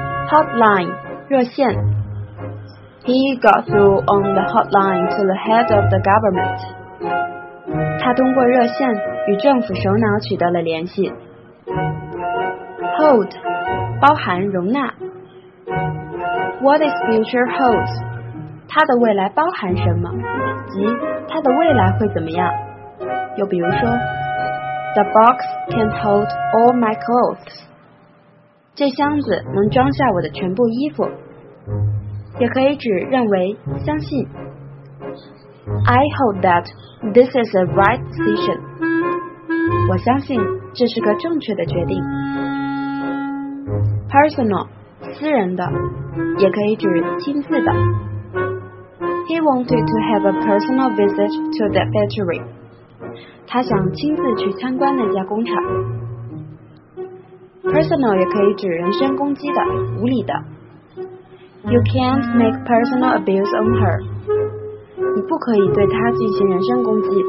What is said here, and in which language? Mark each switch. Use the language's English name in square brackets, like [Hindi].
[English] Hotline 热线，He got through on the hotline to the head of the government. [Chinese] 他通过热线与政府首脑取得了联系。 [English] Hold, [Chinese] 包含容纳。 [English] What his future holds? [Chinese] 他的未来包含什么？即他的未来会怎么样？又比如说 [English] ,The box can hold all my clothes. [Chinese] 这箱子能装下我的全部衣服。也可以指认为、相信。 [English] I hold that this is a right decision. [Chinese] 我相信这是个正确的决定。 Personal, 私人的，也可以指亲自的。 [English] He wanted to have a personal visit to the factory. [Chinese] 他想亲自去参观那家工厂。 [English] Personal [Chinese] 也可以指人身攻击的、无理的。 [English] You can't make personal abuse on her. [Chinese] 你不可以对她进行人身攻击。